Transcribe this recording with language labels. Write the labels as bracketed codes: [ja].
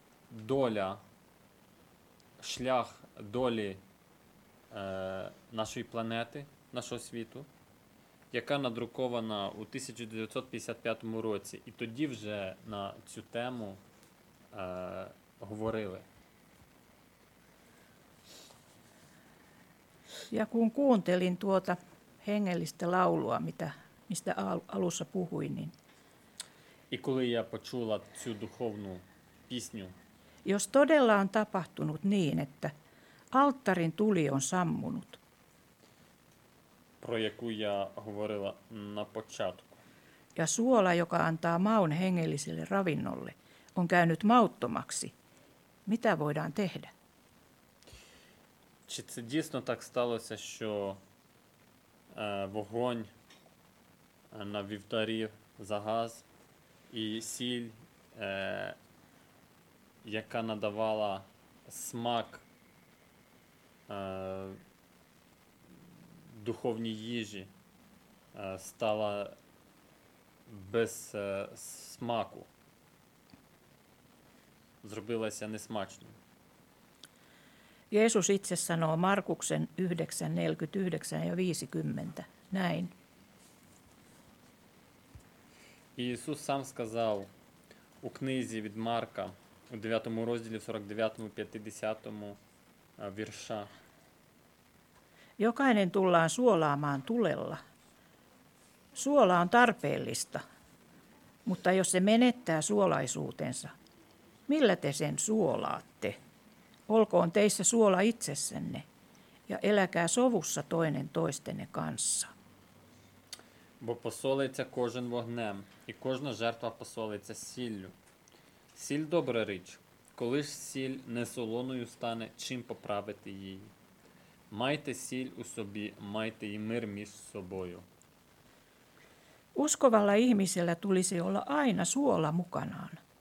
[uk] доля, шлях долі нашої планети, нашого світу, яка надрукована у 1955 році. І тоді вже на цю тему говорили. [fi] Ja kun kuuntelin tuota hengellistä laulua, mistä alussa puhuin, niin... [uk] I коли я почула цю духовну пісню. [fi] Jos todella on tapahtunut niin, että alttarin tuli on sammunut. [uk] Про яку я говорила на початку. [fi] Ja suola, joka antaa maun hengelliselle ravinnolle, on käynyt mauttomaksi. Mitä voidaan tehdä? [uk] Чи це дійсно так сталося, що вогонь на вівтарі загас і сіль, яка надавала смак духовній їжі, стала без смаку, зробилася несмачною? [fi] Jeesus itse sanoo Markuksen 9:49 ja 50 näin. [uk] Jeesus сам сказав у книзі від Марка у 9-му розділі 49-му 50-му вірша. [fi] Jokainen tullaan suolaamaan tulella. Suola on tarpeellista, mutta jos se menettää suolaisuutensa, millä te sen suolaatte? Olkoon teissä suola itsessänne ja eläkää sovussa toinen toistenne kanssa. [uk] Бо посолиться кожен вогнем, і кожна жертва посолиться сіллю. Сіль – добра річ. Коли ж сіль не солоною стане, чим поправити її? Майте сіль у собі, майте і мир між собою. [fi] Uskovalla ihmisellä tulisi olla aina suola mukanaan.